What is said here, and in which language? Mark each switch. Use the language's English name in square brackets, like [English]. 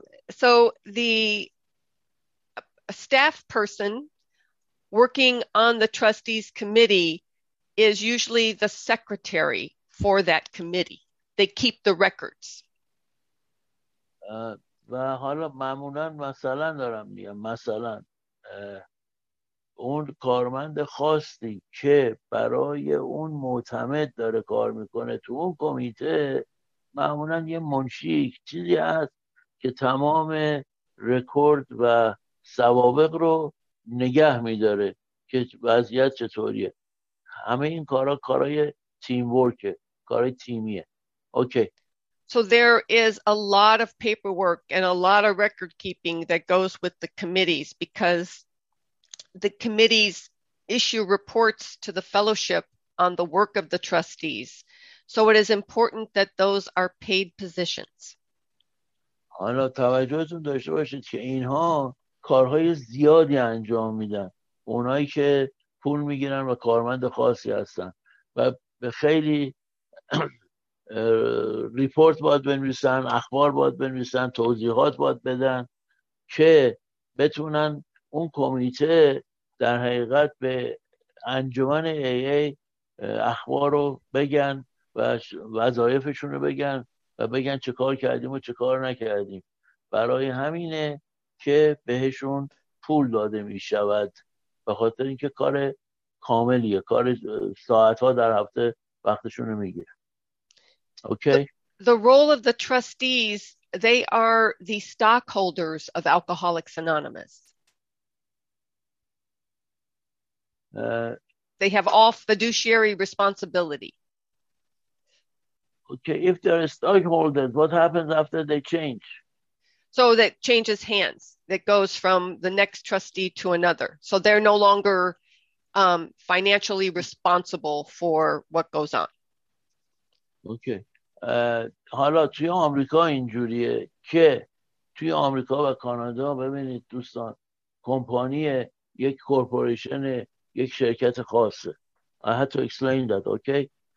[English] So the staff person working on the trustees committee is usually the secretary for that committee. They keep the records. [Persian] و حالا معمولاً مثلا دارم میگم مثلا اون کارمند خاصی که برای اون معتمد داره کار میکنه تو اون کمیته معمولا یه منشی چیزی هست که تمام رکورد و سوابق رو نگه میداره که وضعیت چطوریه. همه این کارا کارای تیم ورکه، کارای تیمیه. اوکی. [English] So there is a lot of paperwork and a lot of record keeping that goes with the committees because the committees issue reports to the fellowship on the work of the trustees. So it is important that those are paid positions. [Persian] حالا توجهتون داشته باشید که اینها کارهای زیادی انجام میدن. اونایی که پول میگیرن و کارمند خاصی هستن و به خیلی ریپورت باید بنویسن، اخبار باید بنویسن، توضیحات باید بدن که بتونن اون کمیته در حقیقت به انجمن AA اخبار رو بگن و وظایفشون رو بگن و بگن چه کار کردیم و چه کار نکردیم. برای همینه که بهشون پول داده می شود به خاطر اینکه کار کاملیه، کار ساعت ها در هفته وقتشون رو میگیره. اوکی. [English] The role of the trustees, they are the stockholders of Alcoholics Anonymous. They have all fiduciary responsibility. Okay, if they're stockholders, what happens after they change? So that changes hands. That goes from the next trustee to another. So they're no longer financially responsible for what goes on. Okay. [Persian] حالا توی آمریکا اینجوریه که توی آمریکا و کانادا ببینید دوستان، کمپانی یک کورپوریشن یک شرکت خاصه. [English] I had to explain that. Okay.